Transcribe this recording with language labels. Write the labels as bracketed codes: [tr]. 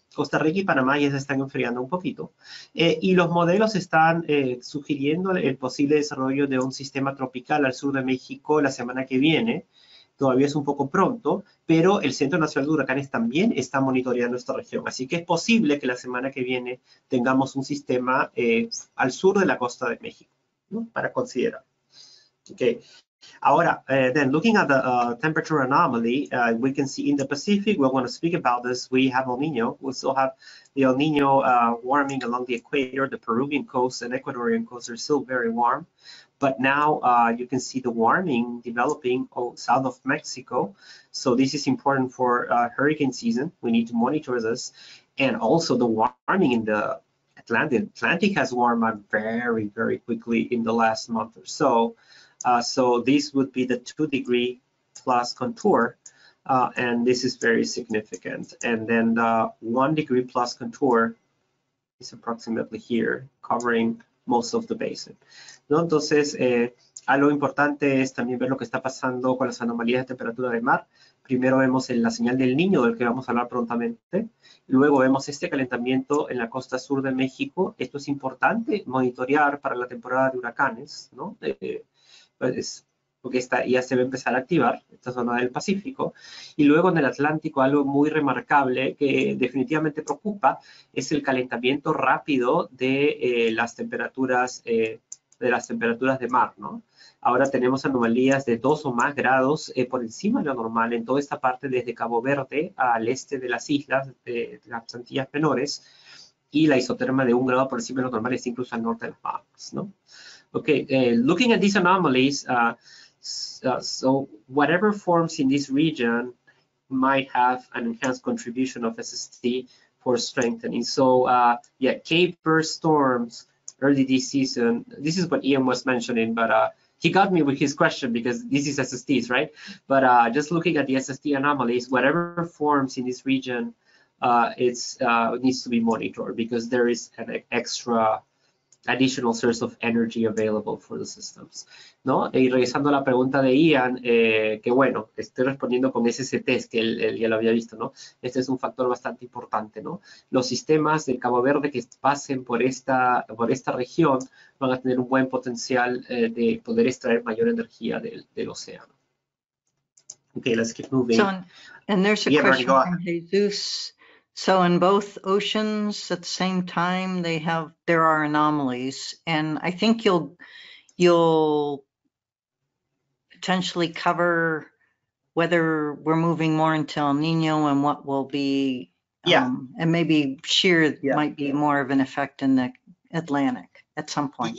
[es] Costa Rica y Panamá ya se están enfriando un poquito. Y los modelos están sugiriendo el posible desarrollo de un sistema tropical al sur de México la semana que viene. Todavía es un poco pronto, pero el Centro Nacional de Huracanes también está monitoreando esta región. Así que es posible que la semana que viene tengamos un sistema al sur de la costa de México, ¿no? Para considerar. Okay. Ahora, [en] then looking at the temperature anomaly, we can see in the Pacific, we're going to speak about this, we have El Niño. We still have the El Niño warming along the equator, the Peruvian coast and Ecuadorian coast are still very warm. But now you can see the warming developing south of Mexico. So this is important for hurricane season. We need to monitor this. And also the warming in the Atlantic has warmed up very, very quickly in the last month or so. So this would be the 2 degree plus contour, and this is very significant. And then the 1 degree plus contour is approximately here, covering most of the basin. [es] ¿No? Entonces, algo importante es también ver lo que está pasando con las anomalías de temperatura de mar. Primero vemos la señal del Niño, del que vamos a hablar prontamente. Luego vemos este calentamiento en la costa sur de México. Esto es importante monitorear para la temporada de huracanes, ¿no? Porque está, ya se va a empezar a activar esta zona del Pacífico. Y luego en el Atlántico, algo muy remarcable que definitivamente preocupa es el calentamiento rápido de las temperaturas de mar, ¿no? Ahora tenemos anomalías de 2 o más grados por encima de lo normal en toda esta parte desde Cabo Verde al este de las islas de las Antillas Menores, y la isoterma de 1 grado por encima de lo normal es incluso al norte de las Bahamas, ¿no? [en] Okay, looking at these anomalies, so whatever forms in this region might have an enhanced contribution of SST for strengthening. So yeah, Cape burst storms early this season. This is what Ian was mentioning, but he got me with his question because this is SSTs, right? But just looking at the SST anomalies, whatever forms in this region, it needs to be monitored because there is an extra additional source of energy available for the systems, [es] ¿no? Y regresando a la pregunta de Ian, que bueno, estoy respondiendo con SSTs, que él ya lo había visto, ¿no? Este es un factor bastante importante, ¿no? Los sistemas del Cabo Verde que pasen por esta región van a tener un buen potencial de poder extraer mayor energía del océano. [en] Okay, let's keep moving. So, and there's a question. So in both oceans at the same time, there are anomalies, and I think you'll potentially cover whether we're moving more into El Niño and what will be, and maybe shear might be more of an effect in the Atlantic at some point.